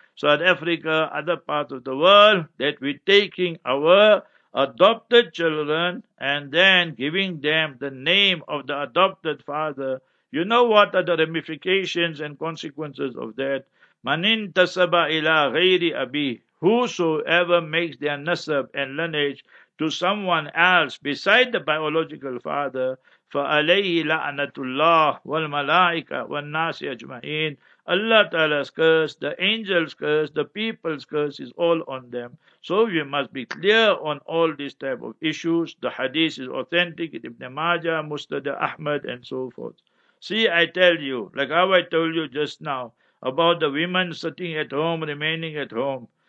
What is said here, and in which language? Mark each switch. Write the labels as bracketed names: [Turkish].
[English] South Africa, other parts of the world, that we're taking our adopted children and then giving them the name of the adopted father. You know what are the ramifications and consequences of that? [Arabic] Manin tasaba ila ghairi abi. [English] Whosoever makes their nasab and lineage to someone else beside the biological father, [Arabic] فعليه لعنة الله والملائكة والناس أجمعين. [English] Allah Ta'ala's curse, the angel's curse, the people's curse is all on them. So we must be clear on all these type of issues. The hadith is authentic, Ibn Majah, Mustad Ahmad, and so forth. See, I tell you, like how I told you just now, about the women sitting at home, remaining at home.